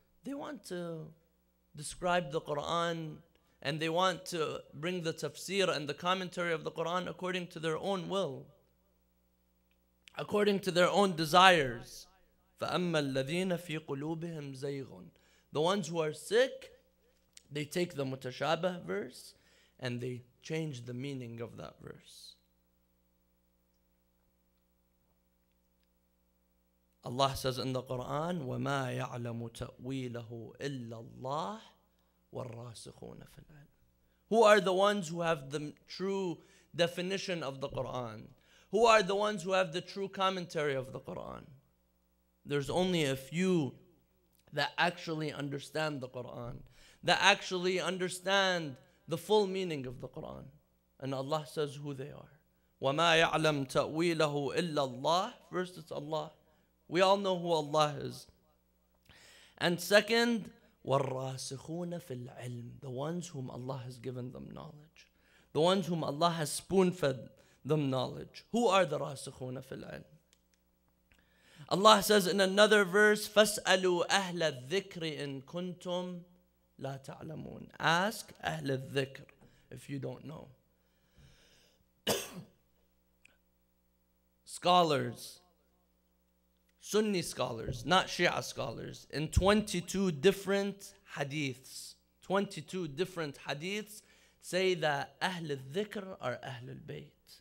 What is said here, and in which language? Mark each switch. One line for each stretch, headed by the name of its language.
English: They want to describe the Quran and they want to bring the tafsir and the commentary of the Quran according to their own will, according to their own desires.
Arabic: فَأَمَّا الَّذِينَ فِي قُلُوبِهِمْ زَيْغٌ
English: The ones who are sick, they take the mutashabah verse and they change the meaning of that verse. Allah says in the Quran,
Arabic: وَمَا يَعْلَمُ تَأْوِيلَهُ إِلَّا اللَّهُ وَالرَّاسِخُونَ فِي الْعِلْمِ
English: Who are the ones who have the true definition of the Quran? Who are the ones who have the true commentary of the Quran? There's only a few that actually understand the Quran, that actually understand the full meaning of the Quran. And Allah says who they are.
Arabic: وَمَا يَعْلَمْ تَأْوِيلَهُ إِلَّا اللَّهِ.
English: First, it's Allah. We all know who Allah is. And second,
Arabic: وَالرَّاسِخُونَ فِي الْعِلْمِ.
English: The ones whom Allah has given them knowledge. The ones whom Allah has spoon-fed them knowledge. Who are the
Arabic: رَاسِخُونَ فِي الْعِلْمِ?
English: Allah says in another verse,
Arabic: فَاسْأَلُوا أَهْلَ الذِّكْرِ إِن كُنْتُمْ لَا تَعْلَمُونَ.
English: Ask أَهْلَ الذِّكْرِ if you don't know. Scholars, Sunni scholars, not Shia scholars, in 22 different hadiths, 22 different hadiths say that Ahl al-Dhikr are Ahl al-Bayt.